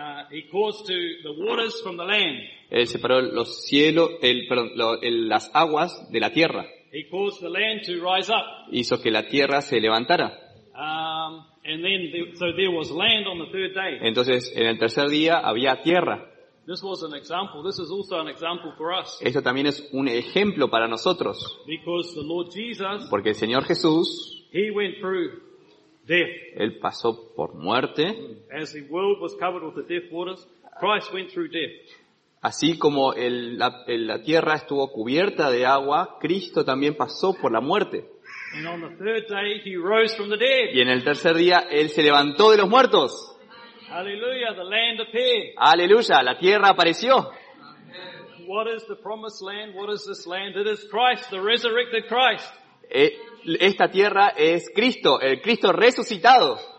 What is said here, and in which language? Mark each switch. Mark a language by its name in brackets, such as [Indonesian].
[English] He caused to the waters from the land. [Spanish] Él separó los cielos, las aguas de la tierra. [English] He caused the land to rise up. [Spanish] Hizo que la tierra se levantara. [English] And then so there was land on the third day. [Spanish] Entonces, en el tercer día había tierra. [English] This was an example. This is also an example for us. [Spanish] Esto también es un ejemplo para nosotros. [English] Because the Lord Jesus. [Spanish] Porque el Señor Jesús. [English] He went through. [Spanish] Él pasó por muerte. [English] As the world was covered with the death waters, Christ went through death. [Spanish] Así como la tierra estuvo cubierta de agua, Cristo también pasó por la muerte. [English] And on the third day, he rose from the dead. [Spanish] Y en el tercer día, Él se levantó de los muertos. [English] Aleluya, the land appeared. [Spanish] Aleluya, la tierra apareció. [English] What is the promised land? What is this land? It is Christ, the resurrected Christ. [Spanish] Esta tierra es Cristo, el Cristo resucitado.